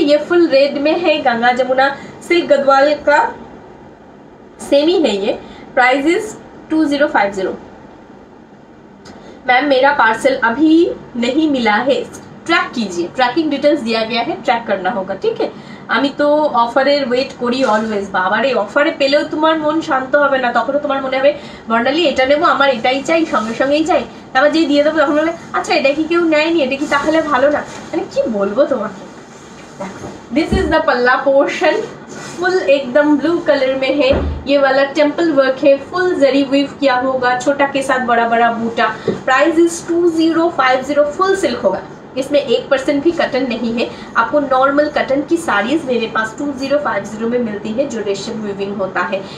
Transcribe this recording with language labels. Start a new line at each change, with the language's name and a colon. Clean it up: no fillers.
Hindi: ये full red में है, गंगा जमुना सिल्क गदवाल का सेमी है ये।
English: Price is 2050।
Hindi: मैम मेरा पार्सल अभी नहीं मिला है, ट्रैक कीजिए, ट्रैकिंग डिटेल्स दिया गया है, ट्रैक करना होगा, ठीक है।
Bangla: अमी तो অফারের ওয়েট করি অলওয়েজ। বাবারে অফারে পেলেও তোমার মন শান্ত হবে না, তখনও তোমার মনে হবে বর্ণালি এটা নেবো, আমার এটাই চাই, সঙ্গে সঙ্গেই চাই, তারপর যেই দিয়ে দেবো তখন বলে আচ্ছা এটা কি কেউ নেয়নি, এটা কি তাহলে ভালো না, মানে কি বলবো তোমাকে,
English: this is the
Hindi: पल्ला पोर्शन, फुल एकदम ब्लू कलर में है। ये वाला टेम्पल वर्क है, फुल जरी वीव किया होगा, छोटा के साथ बड़ा बड़ा बूटा।
English: price is 2050,
Hindi: फुल सिल्क होगा। इसमें 1% भी कटन नहीं है, आपको नॉर्मल कटन की साड़ीज मेरे पास 2050 में मिलती है जो रेशम वीविंग होता है।